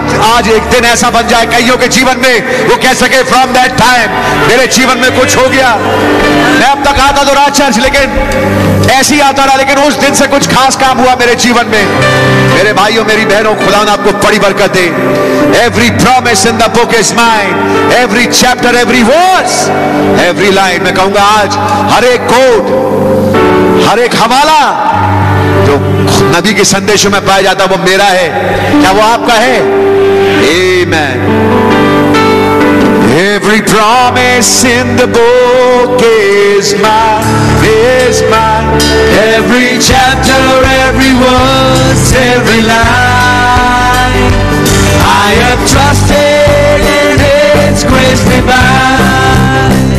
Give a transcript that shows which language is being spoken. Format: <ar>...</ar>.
<hi>आज एक दिन ऐसा बन जाए कईयों के जीवन में वो कह सके</hi> <en>from that time</en> <hi>मेरे जीवन में कुछ हो गया, मैं अब तक आता तो रहा चर्च लेकिन ऐसी आता रहा, लेकिन उस दिन से कुछ खास काम हुआ मेरे जीवन में। मेरे भाइयों मेरी बहनों खुदा आपको बड़ी बरकत दे।</hi> <en>Every promise in the book is mine. Every chapter, every verse, every line.</en> <hi>मैं कहूंगा आज हर एक कोट हर एक हवाला जो नबी के संदेशों में पाया जाता है वो मेरा है, क्या वो आपका है?</hi> <en>Amen. Every promise in the book is mine, is mine. Every chapter, every verse, every line. I have trusted in its grace divine.</en>